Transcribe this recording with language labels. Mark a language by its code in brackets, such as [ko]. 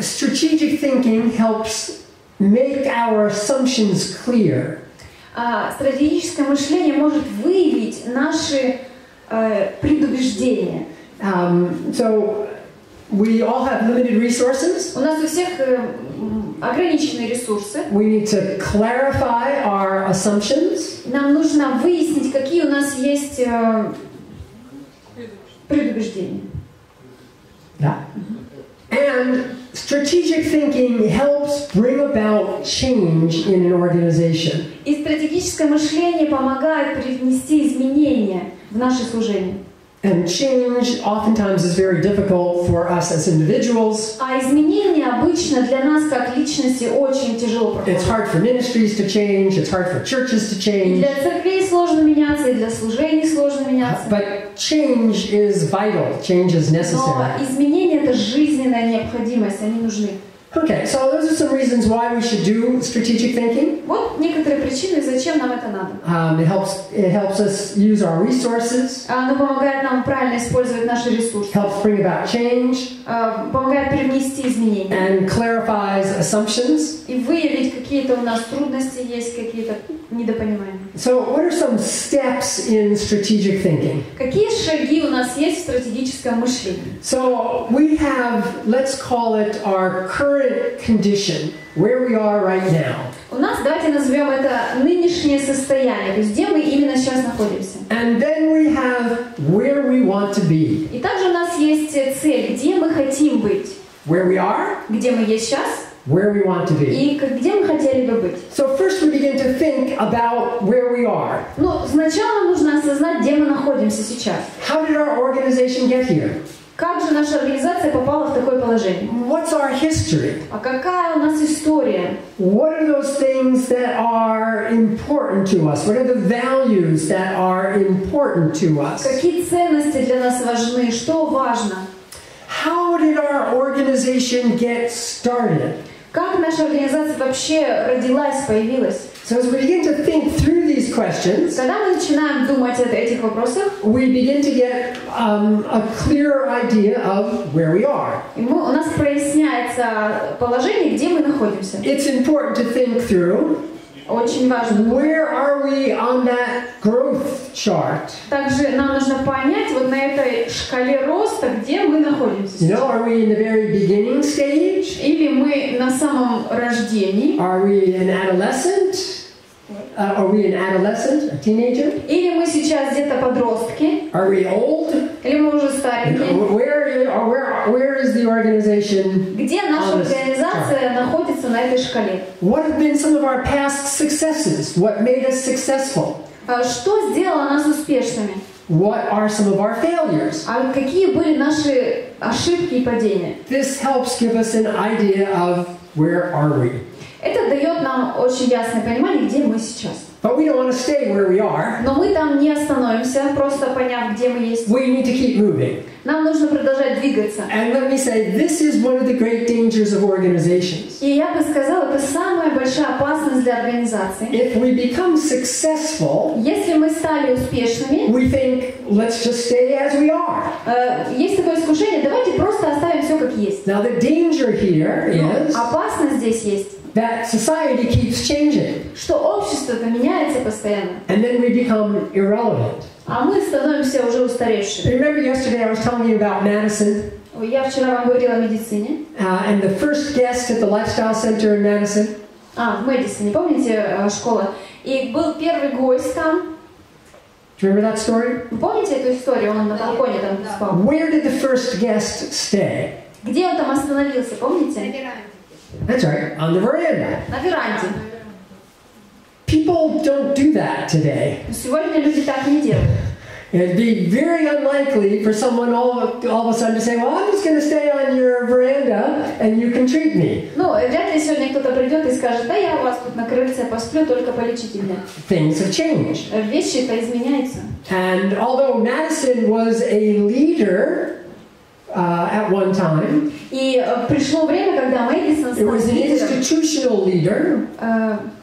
[en] Strategic thinking helps make our assumptions clear. [ru] Стратегическое мышление может выявить наши предубеждения. [en] So we all have limited resources. [ru] У нас у всех ограниченные ресурсы. [en] We need to clarify our assumptions. [ru] Нам нужно выяснить, какие у нас есть предубеждения. Да. [en] And strategic thinking helps bring about change in an organization. [ru] И стратегическое мышление помогает привнести изменения в наше служение. [en] And change oftentimes is very difficult for us as individuals. [ru] А изменения обычно для нас как личности очень тяжело проходят. [en] It's hard for ministries to change. It's hard for churches to change. [ru] И для церквей сложно меняться, и для служений сложно меняться. [en] But change is vital. Change is necessary. [ru] Но изменения — это жизненная необходимость. Они нужны. [en] Okay, so those are some reasons why we should do strategic thinking. [ru] Вот некоторые причины, зачем нам это надо. [en] It helps us use our resources. [ru] Оно помогает нам правильно использовать наши ресурсы. [en] Helps bring about change. [ru] Помогает привнести изменения. [en] And clarifies assumptions. [ru] И выявить, какие-то у нас трудности есть, какие-то недопонимания. [en] So what are some steps in strategic thinking? [ru] Какие шаги у нас есть в стратегическом мышлении? [en] So we have, let's call it our current condition, where we are right now. [ru] У нас, давайте назовем это нынешнее состояние, то есть где мы именно сейчас находимся. [en] And then we have where we want to be. [ru] И также у нас есть цель, где мы хотим быть. [en] Where we are. [ru] Где мы есть сейчас. [en] Where we want to be. [ru] И где мы хотели бы быть. [en] So first we begin to think about where we are. [ru] Ну, сначала нужно осознать, где мы находимся сейчас. [en] How did our organization get here? [ru] Как же наша организация попала в такое положение? [en] What's our history? [ru] А какая у нас история? [en] What are those things that are important to us? What are the values that are important to us? [ru] Какие ценности для нас важны? Что важно? [en] How did our organization get started? [ru] Как наша организация вообще родилась, появилась? [en] So as we begin to think through these questions, [ru] когда мы начинаем думать об этих вопросах, [en] we begin to get a clearer idea of where we are. [ru] У нас проясняется положение, где мы находимся. [en] It's important to think through. [ru] Очень важно. [en] Where are we on that growth chart? [ru] Также нам нужно понять, вот на этой шкале роста, где мы находимся. [en] You know, are we in the very beginning stage? [ru] Или мы на самом рождении? [en] Are we an adolescent? Are we an adolescent, a teenager? [ru] Или мы сейчас где-то подростки? [en] Are we old? [ru] Или мы уже старики? [en] Where is the organization? [ru] Где наша организация находится на этой шкале? [en] What have been some of our past successes? What made us successful? [ru] Что сделало нас успешными? [en] What are some of our failures? [ru] А какие были наши ошибки и падения? [en] This helps give us an idea of where are we. [ru] Это дает нам очень ясное понимание, где мы сейчас. [en] But we don't want to stay where we are. [ru] Но мы там не остановимся, просто поняв, где мы есть. [en] We need to keep moving. [ru] Нам нужно продолжать двигаться. [en] And let me say, this is one of the great dangers of organizations. [ru] И я бы сказала, это самая большая опасность для организации. [en] If we become successful, [ru] если мы стали успешными, [en] we think, let's just stay as we are. [ru] Есть такое искушение, давайте просто оставим все как есть. [en] Now the danger here is, [ru] опасность здесь есть. [en] That society keeps changing. [ru] Что общество-то меняется постоянно. [en] And then we become irrelevant. [ru] А мы становимся уже устаревшими. [en] Remember yesterday I was telling you about Madison? [ru] Я вчера вам говорила о медицине. [en] And the first guest at the lifestyle center in Madison? [ru] А, в Мэдисоне, помните, школа? И был первый гость там. [en] Do you remember that story? [ru] Помните эту историю? Он на балконе там спал. [en] Where did the first guest stay? [ru] Где он там остановился, помните? [en] That's right, on the veranda. [ru] На веранде. [en] People don't do that today. [ru] Сегодня люди так не делают. [en] It'd be very unlikely for someone all of a sudden to say, well, I'm just going to stay on your veranda and you can treat me. [ru] Ну, вряд ли сегодня кто-то придет и скажет, да я у вас тут на крыльце посплю, только полечите меня. [en] Things have changed. [ru] Вещи-то изменяются. [en] And although Madison was a leader, at one time. [ru] И пришло время, когда Мэдисон стал лидером. [en] It was an institutional leader.